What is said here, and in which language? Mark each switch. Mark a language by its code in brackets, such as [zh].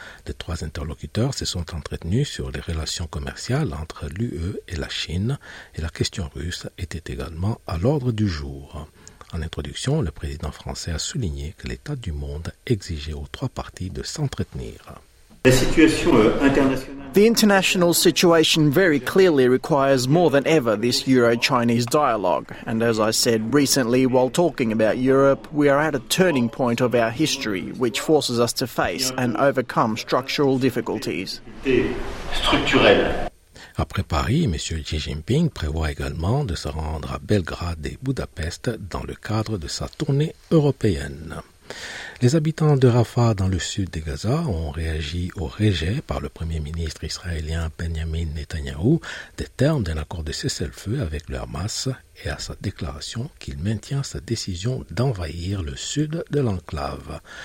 [fr] Les trois interlocuteurs se sont entretenus sur les relations commerciales entre l'UE et la Chine et la question russe était également à l'ordre du jour. En introduction, le président français a souligné que l'état du monde exigeait aux trois parties de s'entretenir. La situation internationale. [en] The international situation very clearly requires more than ever this Euro-Chinese dialogue. And as I said recently while talking about Europe, we are at a turning point of our history, which forces us to face and overcome structural difficulties. [fr] Après Paris, M. Xi Jinping prévoit également de se rendre à Belgrade et Budapest dans le cadre de sa tournée européenne. Les habitants de Rafah, dans le sud de Gaza, ont réagi au rejet par le premier ministre israélien Benjamin Netanyahou des termes d'un accord de cessez-le-feu avec le Hamas et à sa déclaration qu'il maintient sa décision d'envahir le sud de l'enclave.